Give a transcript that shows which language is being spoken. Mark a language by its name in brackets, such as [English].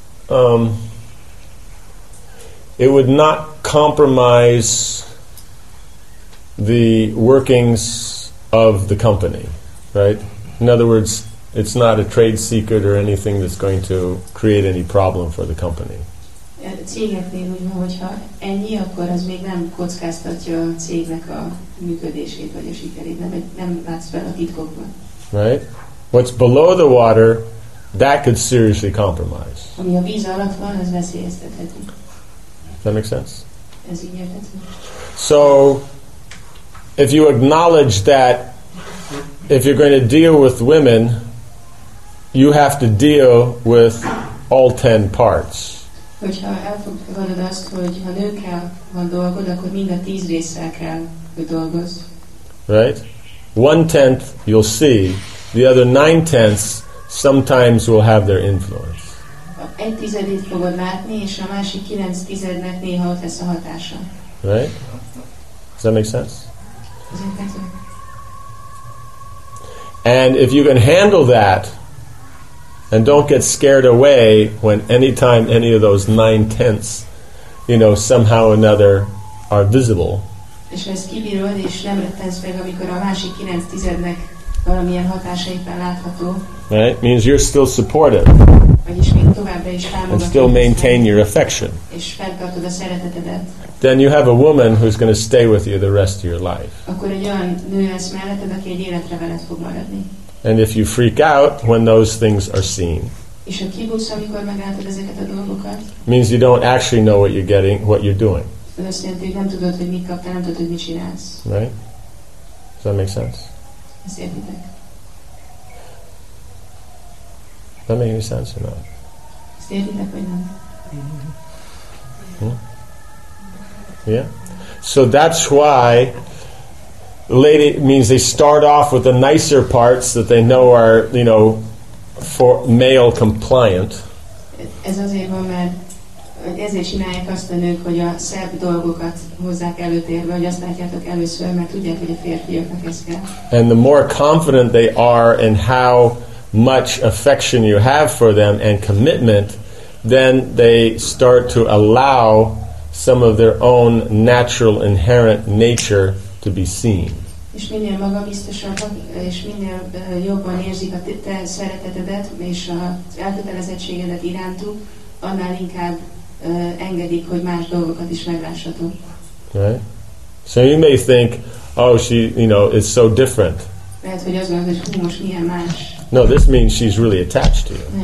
[English] It would not compromise the workings of the company, right? In other words, it's not a trade secret or anything that's going to create any problem for the company. [Hungarian] Cégeknél úgy van, hogyha ennyi, akkor az még nem kockáztatja a cégnek a működését vagy a sikerét, nem látsz fel a titkokban. [English] Right? What's below the water, that could seriously compromise. [Hungarian] Ami a víz alatt van, az veszélyeztetheti. [English] Does that make sense? [Hungarian] Ez így érthető. [English] So, if you acknowledge that, if you're going to deal with women, you have to deal with all 10 parts. [Hungarian] Hogyha elfogadod azt, hogy ha nőkkel van dolgod, akkor mind a 10 résszel kell, hogy dolgozz. [English] Right? 1/10, you'll see. The other 9/10 sometimes will have their influence. [Hungarian] A 1/10-ét fogod látni, és a másik 9/10-nek néha ott lesz a hatása. [English] Right? Does that make sense? And if you can handle that and don't get scared away when any time any of those 9/10, you know, somehow or another are visible. [Hungarian] És ha ezt kibírod, és nem rettensz meg, amikor a másik 9/10-nek valamilyen hatása éppen látható. [English] Right? Means you're still supportive. [Hungarian] Vagyis még továbbra is támogatod. [English] And still maintain your affection. [Hungarian] És fenntartod a szeretetedet. [English] Then you have a woman who's going to stay with you the rest of your life. [Hungarian] Akkor egy olyan nő lesz melletted, aki egy életre veled fog maradni. [English] And if you freak out when those things are seen, [Hungarian] és ha kibuksz, amikor meglátod ezeket a dolgokat, [English] means you don't actually know what you're getting, what you're doing. [Hungarian] Ez azt jelenti, hogy nem tudod, hogy mit kaptál, nem tudod, hogy mit csinálsz. [English] Right? Does that make sense? [Hungarian] Ez értitek. [English] Does that make any sense or not? [Hungarian] Ez értitek, vagy nem? Hmm? [English] Yeah? So that's why lady means they start off with the nicer parts that they know are, you know, for male compliant. [Hungarian] Ez azért van, mert ezért csinálják azt a nők, hogy a szebb dolgokat hozzák előtérbe, hogy azt látjátok először, mert tudják, hogy a férfiaknak ez kell. [English] And the more confident they are in how much affection you have for them and commitment, then they start to allow some of their own natural inherent nature to be seen. [Hungarian] És minél magabiztosabbak, és minél jobban érzik a te szeretetedet, és az elkötelezettségedet irántuk, annál inkább engedik, hogy más dolgokat is meglássatok. [English] Right? So you may think, oh, she, you know, is so different. [Hungarian] Lehet, hogy az van, hogy hú, most milyen más. [English] No, this means she's really attached to you.